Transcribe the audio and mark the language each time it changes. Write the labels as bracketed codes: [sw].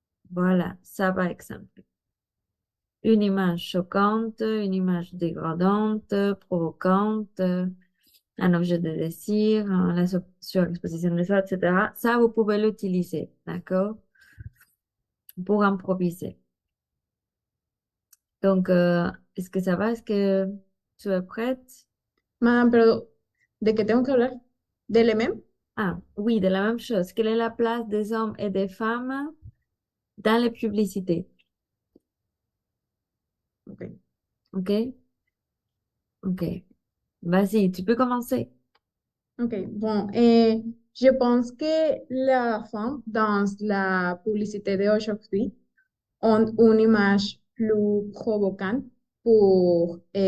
[fr] Voilà, ça par exemple. Une image choquante, une image dégradante, provocante. Un objet de désir, la surexposition de ça, etc. Ça, vous pouvez l'utiliser, d'accord? Pour improviser. Donc, est-ce que ça va? Est-ce que tu es prête? Madame, [es] pero ¿de qué tengo que hablar? ¿De LMM? [fr] Ah, oui, de la même chose. Quelle est la place des hommes et des femmes dans les publicités? OK? OK. Vas-y, tu peux commencer. Ok, bon, je pense que la femme dans la publicité de aujourd'hui ont une image plus provocante pour.